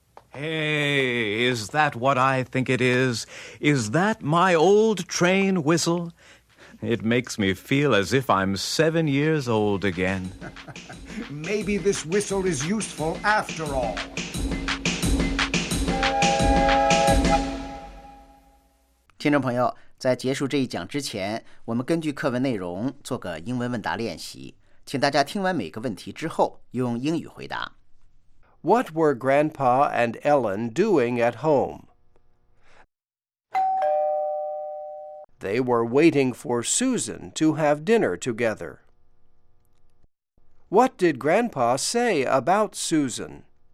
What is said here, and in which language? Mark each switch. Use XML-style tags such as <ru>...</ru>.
<en>Hey, is that what I think it is? Is that my old train whistle? It makes me feel as if I'm 7 years old again. Maybe this whistle is useful after all.</en> <zh>Tinopoyo, 在结束这一讲之前，我们根据课文内容做个英文问答练习，请大家听完每个问题之后用英语回答。</zh> <en>What were Grandpa and Ellen doing at home? They were waiting for Susan to have dinner together. What did Grandpa say about Susan?</en>